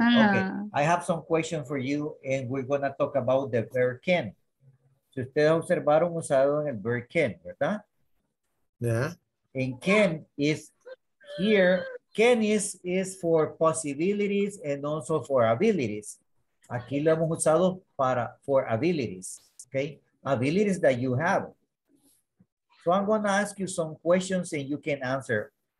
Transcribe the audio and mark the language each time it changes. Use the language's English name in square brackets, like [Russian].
[English] Okay, I have some questions for you and we're going to talk about the verb can. [Spanish] Si ustedes observaron, usado en el [English] verb can, [Spanish] ¿verdad? [English] Yeah. And can is here, can is for possibilities and also for abilities. [Spanish] Aquí lo hemos usado para, [English] for abilities, okay? Abilities that you have. So I'm going to ask you some questions and you can answer.